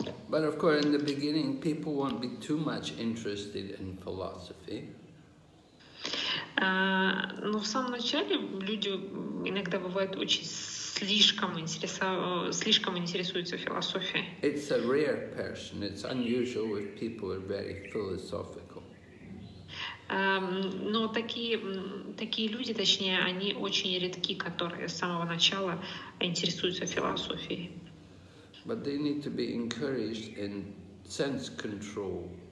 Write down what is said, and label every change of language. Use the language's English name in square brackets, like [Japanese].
[English] But of course, in the beginning, people won't be too much interested in philosophy. [Russian] Но в самом начале люди иногда бывают очень слишком интересуются философией. [English] It's a rare person. It's unusual if people are very philosophical. [Russian] Но такие люди, точнее, они очень редки, которые с самого начала интересуются философией. [English] But they need to be encouraged in sense control.